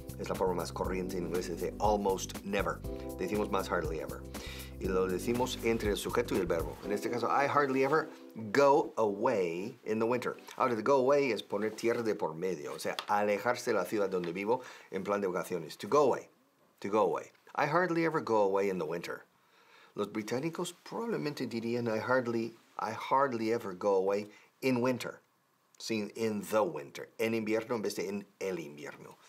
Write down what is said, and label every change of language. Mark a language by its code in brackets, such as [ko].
[es] Es la forma más corriente en inglés de [en] almost never. [es] Decimos más [en] hardly ever. [es] Y lo decimos entre el sujeto y el verbo. En este caso, [en] I hardly ever go away in the winter. [es] Ahora, [en] to go away [es] es poner tierra de por medio. O sea, alejarse de la ciudad donde vivo en plan de vacaciones. [en] To go away. To go away. I hardly ever go away in the winter. [es] Los británicos probablemente dirían [en] I hardly ever go away in winter. [es] Sin [en] in the winter. [es] En invierno en vez de en el invierno.